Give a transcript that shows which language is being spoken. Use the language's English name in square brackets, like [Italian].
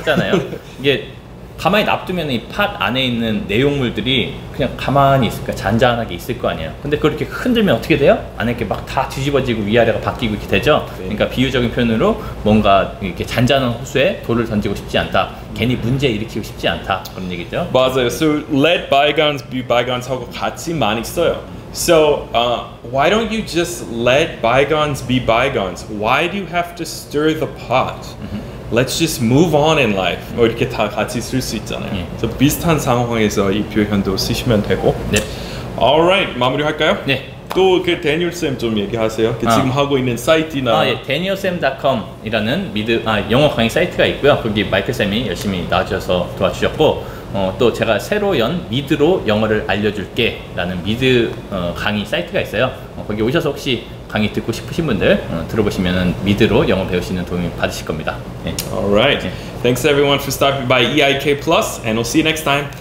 [Korean] 하잖아요 이게 가만히 놔두면 이 팟 안에 있는 내용물들이 그냥 가만히 있을까 잔잔하게 있을 거 아니에요. 근데 그렇게 흔들면 어떻게 돼요? 안에 이렇게 막 다 뒤집어지고 위아래가 바뀌고 이렇게 되죠. 네. 그러니까 비유적인 표현으로 뭔가 이렇게 잔잔한 호수에 돌을 던지고 싶지 않다. 괜히 문제 일으키고 싶지 않다. 그런 얘기죠. 맞아요. So let bygones be bygones 하고 같이 많이 써요. [English] So why don't you just let bygones be bygones? Why do you have to stir the pot? Let's just move on in life. [Korean] 뭐 이렇게 다 같이 쓸 수 있잖아요. 그래서 비슷한 상황에서 이 표현도 쓰시면 되고. 네. Alright, 마무리할까요? 네. 또 그 대니얼 쌤 좀 얘기하세요. 그 지금 하고 있는 사이트나. 아 예, danielsam.com이라는 미드 영어 강의 사이트가 있고요. 거기 마이클 쌤이 열심히 나와주셔서 도와주셨고, 또 제가 새로 연 미드로 영어를 알려줄게라는 미드 강의 사이트가 있어요. 거기 오셔서 혹시 강의 듣고 싶으신 분들 들어보시면 미드로 영어 배우시는 도움이 받으실 겁니다. [English] 네. Alright. 네. Thanks everyone for stopping by EIK Plus and we'll see you next time.